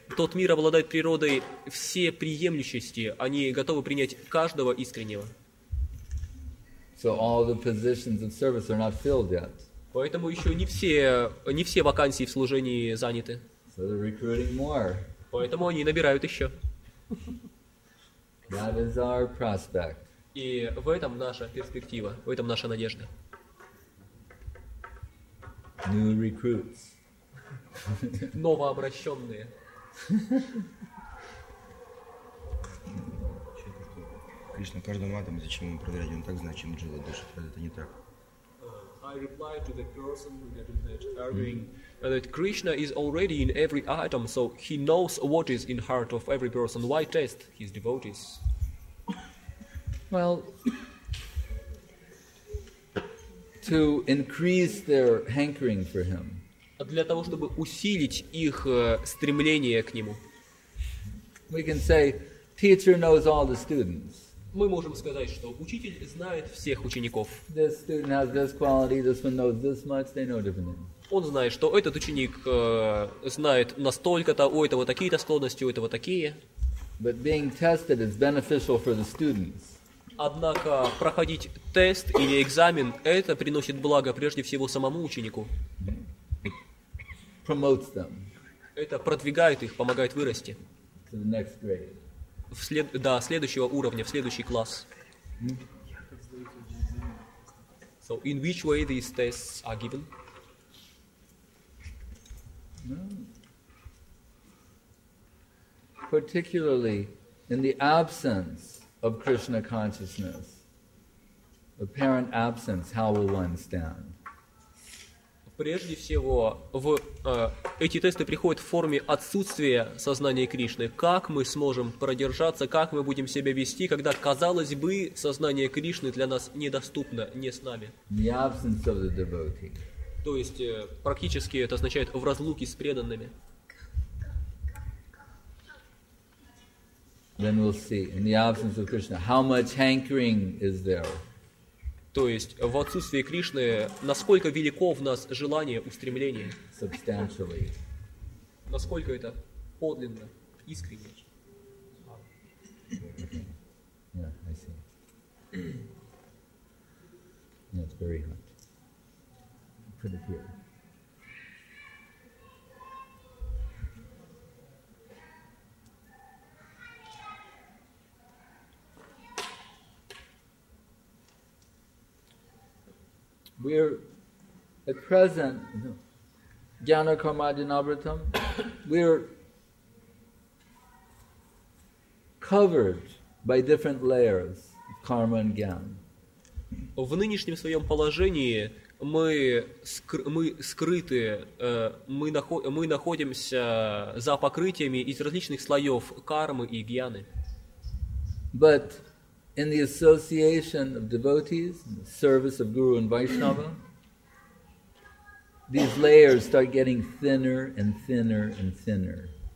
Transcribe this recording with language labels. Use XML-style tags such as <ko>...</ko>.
<ru>Тот мир обладает природой всеприемлющести. Они готовы принять каждого искреннего.</ru> <en>So all the positions of service are not filled yet.</en> <ru>Поэтому еще не все вакансии в служении заняты.</ru> <en>So they're recruiting more.</en> <ru>Поэтому они набирают еще.</ru> <en>That is our prospect.</en> <ru>И в этом наша перспектива, в этом наша надежда.</ru> <en>New recruits.</en> <ru>Новообращенные. Кришна, каждому атому зачем ему проверять, он так знает, чем джива дышит, а это не так.</ru> <en>I replied to the person that is arguing that Krishna is already in every atom, so he knows what is in heart of every person. Why test his devotees? Well, to increase their hankering for him.</en> <ru>Для того, чтобы усилить их стремление к нему.</ru> <en>We can say, teacher knows all the students.</en> <ru>Мы можем сказать, что учитель знает всех учеников.</ru> <en>This student has this quality, this one knows this much, they know different.</en> <ru>Он знает, что этот ученик знает настолько-то, у этого такие-то склонности, у этого такие.</ru> <en>But being tested is beneficial for the students.</en> <ru>Однако проходить тест или экзамен, это приносит благо прежде всего самому ученику.</ru> <en>Promotes them.</en> <ru>Это продвигает их, помогает вырасти.</ru> <en>To the next grade.</en> <ru>Следующего уровня, в следующий класс.</ru> <en>So in which way these tests are given? No. Particularly in the absence of Krishna consciousness, apparent absence, how will one stand?</en> <ru>Прежде всего, эти тесты приходят в форме отсутствия сознания Кришны. Как мы сможем продержаться, как мы будем себя вести, когда, казалось бы, сознание Кришны для нас недоступно, не с нами?</ru> <en>In the absence of the devotee.</en> <ru>То есть практически это означает в разлуке с преданными.</ru> <en>Then we'll see in the absence of Krishna how much hankering is there.</en> <ru>То есть в отсутствии Кришны насколько велико в нас желание, устремление?</ru> <en>Substantially.</en> <ru>Насколько это подлинно, искренне?</ru> <en>Yeah, I see. Yeah, it's very hot. We're at present, Jnana Karmajanavratam, we're covered by different layers of karma and jnana.</en> <ru>В нынешнем своем положении мы находимся за покрытиями из различных слоев кармы и гьяны.</ru> <en>But in the association of devotees, in the service of Guru and Vaishnava, These layers start getting thinner and thinner and thinner.</en>